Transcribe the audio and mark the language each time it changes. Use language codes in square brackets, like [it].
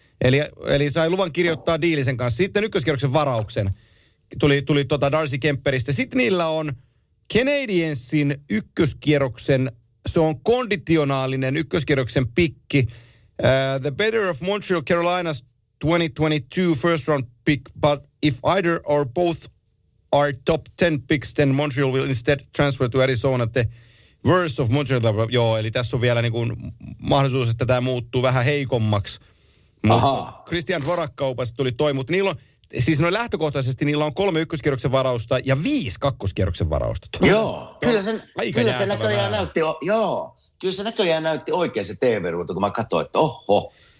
[fi] Eli sai luvan kirjoittaa diilisen kanssa. Sitten ykköskierroksen varauksen tuli Darcy Kemperistä. Sitten niillä on Canadiensin ykköskierroksen, se on konditionaalinen ykköskierroksen pikki. [en] The better of Montreal Carolinas 2022 first round pick, but if either or both are top 10 picks, then Montreal will instead transfer to Arizona the worst of Montreal. [fi] Joo, eli tässä on vielä niin mahdollisuus, että tämä muuttuu vähän heikommaksi. Aha. Christian Dvorak-kaupassa tuli toi, mutta niillä on, siis noin lähtökohtaisesti niillä on 3 ykköskierroksen varausta ja 5 kakkoskierroksen varausta. Kyllä se näköjään näytti oikein se TV-ruutu, kun mä katsoin, että oho.